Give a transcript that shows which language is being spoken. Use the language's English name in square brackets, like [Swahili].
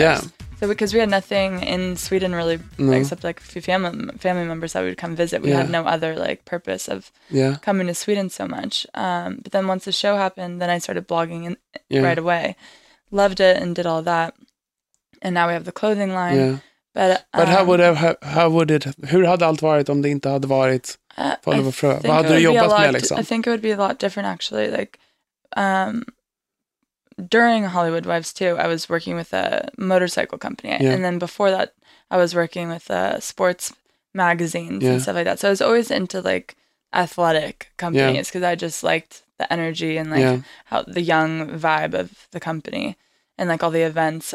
[English] Yeah. So because we had nothing in Sweden really, except like a few family members that we would come visit. We had no other like purpose of coming to Sweden so much. But then once the show happened, then I started blogging right away. Loved it and did all that. And now we have the clothing line. Yeah. But [Swedish] hur hade allt varit om det inte hade varit Follow the Flow? Vad hade du jobbat med liksom? [English] I think it would be a lot different actually. Like during Hollywood Wives 2, I was working with a motorcycle company. Yeah. And then before that, I was working with a sports magazines and stuff like that. So I was always into like athletic companies because I just liked the energy and like how the young vibe of the company and like all the events.